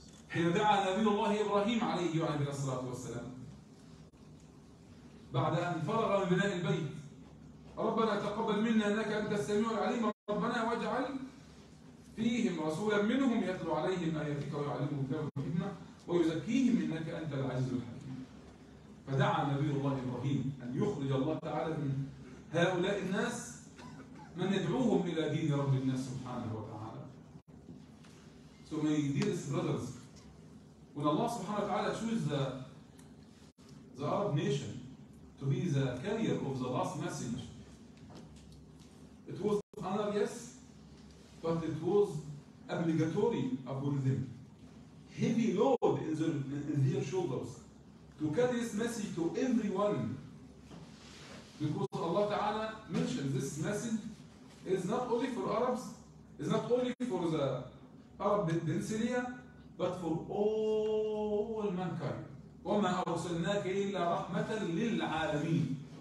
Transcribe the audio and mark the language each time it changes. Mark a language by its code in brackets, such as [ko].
[ar] حين دعا نبي الله إبراهيم عليه وعلى الصلاة والسلام بعد أن فرغ من بناء البيت: ربنا تقبل منا أنك أنت السميع العليم، ربنا واجعل فيهم رسولا منهم يتلو عليهم آياتك ويعلمهم كتاب الحكمة ويزكيهم إنك أنت العزيز الحكيم. فدعا نبي الله إبراهيم أن يخرج الله تعالى من هؤلاء الناس من يدعوهم إلى دين رب الناس سبحانه وتعالى. [en] So my dearest brothers, when Allah [ar] سبحانه وتعالى [en] chooses the Arab nation to be the carrier of the last message, it was an honor, yes, but it was obligatory upon them. Heavy load in their shoulders to carry this message to everyone. Because Allah Ta'ala mentioned this message is not only for Arabs, it's not only for the Arab in Syria, but for all mankind. [ar] وما أرسلناك إلا رحمة للعالمين.